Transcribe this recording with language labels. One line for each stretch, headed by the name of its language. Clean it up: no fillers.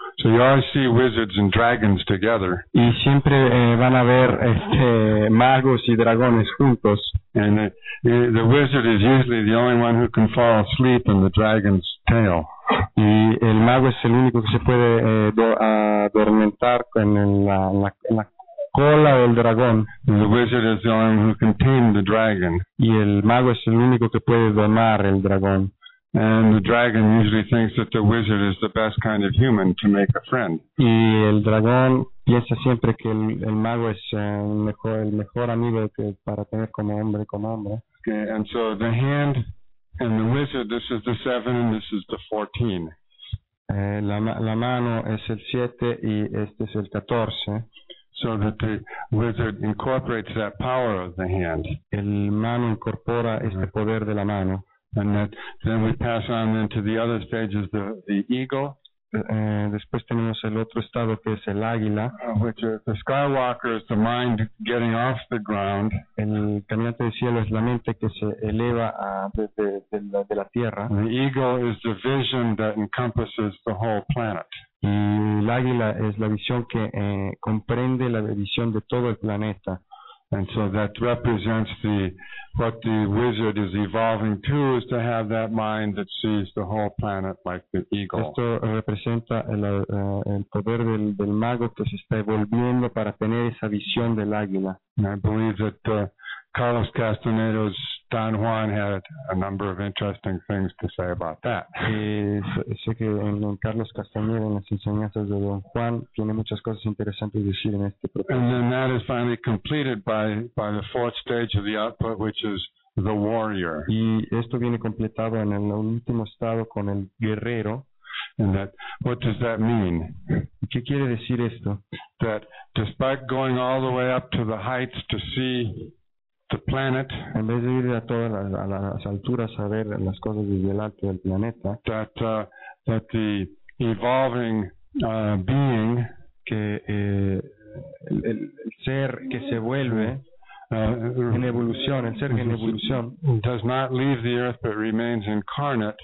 English: So you always see wizards and dragons together.
Spanish: Y siempre van a ver magos y dragones juntos.
English: And the wizard is usually the only one who can fall asleep in the dragon's tail.
Spanish: Y el mago es el único que se puede adormentar en la cola del dragón.
English: And the wizard is the only one who can tame the dragon.
Spanish: Y el mago es el único que puede domar el dragón.
English: And the dragon usually thinks that the wizard is the best kind of human to make a friend.
Spanish: Y el dragón piensa siempre que el mago es el mejor amigo para tener como hombre.
English: Okay, and so the hand and the wizard, this is the 7 and this is the 14.
Spanish: La mano es el 7 y este es el 14.
English: So that the wizard incorporates that power of the hand.
Spanish: El mano incorpora este poder de la mano.
English: And then we pass on into the other stages, the eagle.
Spanish: Después tenemos el otro estado que es el águila.
English: Which is the skywalker is the mind getting off the ground.
Spanish: El caminante del cielo es la mente que se eleva de la tierra.
English: And the eagle is the vision that encompasses the whole planet.
Spanish: Y el águila es la visión que comprende la visión de todo el planeta.
English: And so that represents what the wizard is evolving to, is to have that mind that sees the whole planet like the eagle.
Spanish: Esto representa el poder del mago que se está evolviendo para tener esa visión del águila.
English: And I believe that Carlos Castaneda's Don Juan had a number of interesting things to say about that.
Spanish: Sé que en Carlos Castaneda, en las enseñanzas de Don Juan, tiene muchas cosas interesantes decir en este propósito.
English: And then that is finally completed by the fourth stage of the output, which is the warrior.
Spanish: Y esto viene completado en el último estado con el guerrero.
English: And that, what does that mean?
Spanish: ¿Qué quiere decir esto?
English: That despite going all the way up to the heights to see the planet,
Spanish: en vez de ir a todas las alturas a ver las cosas desde el alto del planeta,
English: that the evolving being,
Spanish: que el ser que se vuelve en evolución, el ser en evolución,
English: does not leave the earth but remains incarnate,